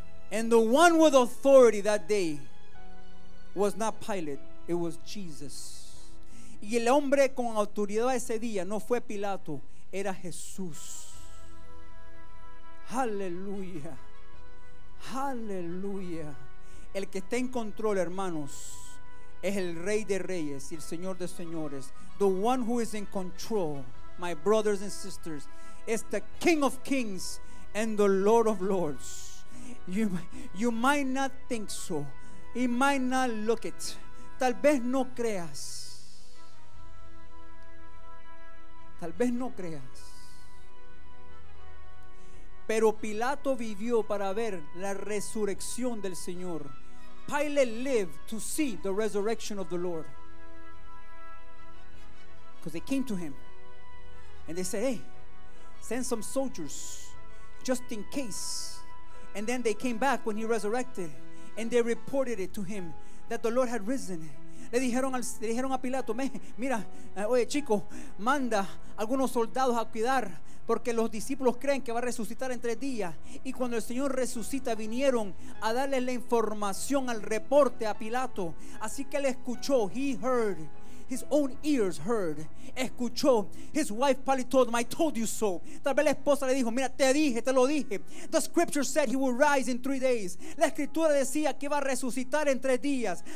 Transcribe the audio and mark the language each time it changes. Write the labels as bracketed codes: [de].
[en] And the one with authority that day was not Pilate. It was Jesus. [es] Y el hombre con autoridad ese día no fue Pilato. Era Jesús. Hallelujah. Aleluya. El que está en control, hermanos, es el Rey de Reyes y el Señor de Señores. [en] The one who is in control, my brothers and sisters, is the King of Kings and the Lord of Lords. You might not think so. He might not look it. [es] Tal vez no creas. Tal vez no creas. Pero Pilato vivió para ver la resurrección del Señor. [en] Pilate lived to see the resurrection of the Lord. Because they came to him and they said, hey, send some soldiers just in case. And then they came back when he resurrected and they reported it to him that the Lord had risen. [es] Le dijeron a Pilato, mira, oye chico, manda algunos soldados a cuidar porque los discípulos creen que va a resucitar en 3 días. Y cuando el Señor resucita, vinieron a darle la información, al reporte a Pilato. Así que él escuchó. [en] He heard. His own ears heard. [es] Escuchó. [en] His wife probably told him, I told you so. [es] Tal vez la esposa le dijo, mira, te dije, te lo dije. [en] The scripture said he will rise in 3 days. [es] La escritura decía que iba a resucitar en 3 días.